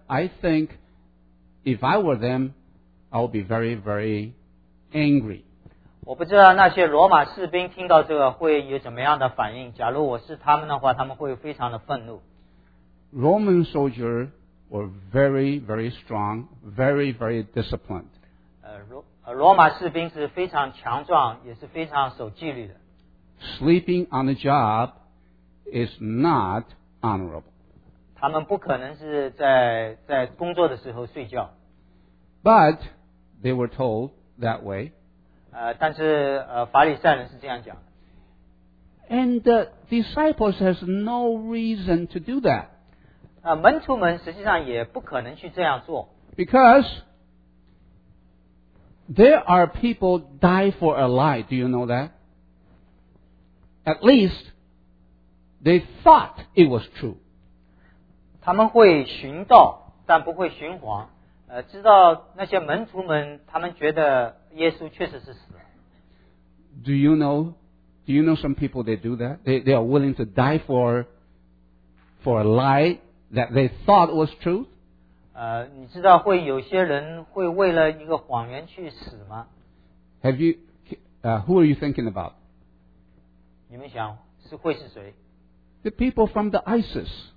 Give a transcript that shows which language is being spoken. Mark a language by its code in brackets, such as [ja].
[en] I think if I were them,I'll be very, very angry. [zh] 我不知道那些罗马士兵听到这个会有怎么样的反应。假如我是他们的话，他们会非常的愤怒。 [en] Roman soldiers were very, very strong, very, very disciplined. [zh] 罗马士兵是非常强壮，也是非常守纪律的。 [en] Sleeping on the job is not honorable. [zh] 他们不可能是在工作的时候睡觉。 [en] But they were told that way. [zh] 但是法利赛人是这样讲的。 [en] And the disciples has no reason to do that. [zh] 门徒们实际上也不可能去这样做。 [en] Because there are people die for a lie. Do you know that? At least they thought it was true. [zh] 他们会寻道，但不会寻谎。知道那些门徒们，他们觉得耶稣确实是死了。 [en] Do you know some people they do that? They are willing to die for a lie that they thought was truth? [zh] 你知道会有些人会为了一个谎言去死吗？ [en] Have you, who are you thinking about? [zh] 你们想是会是谁？ [en] The people from the ISIS.